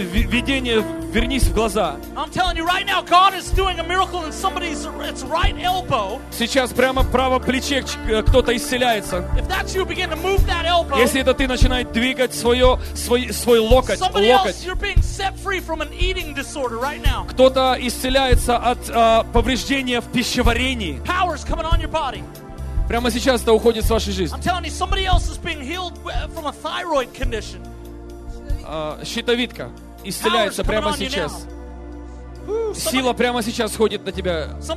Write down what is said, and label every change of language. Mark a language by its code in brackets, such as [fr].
[ru] Видение, вернись в глаза. [en] I'm telling you right now, God is doing a miracle in somebody's it's right elbow. [ru] Сейчас прямо право плече кто-то исцеляется. [en] If that's you, begin to move that elbow. [ru] Если это ты начинает двигать свой локоть. [en] Somebody [ru] локоть. [en] Else, you're being set free from an eating disorder right now. [ru] Кто-то исцеляется от повреждения в пищеварении. [en] Power's coming on your body. [ru] Прямо сейчас это уходит с вашей жизни. [en] I'm telling you, somebody else is being healed from a thyroid condition. [ru] Щитовидка исцеляется прямо сейчас. Сила прямо сейчас сходит на тебя.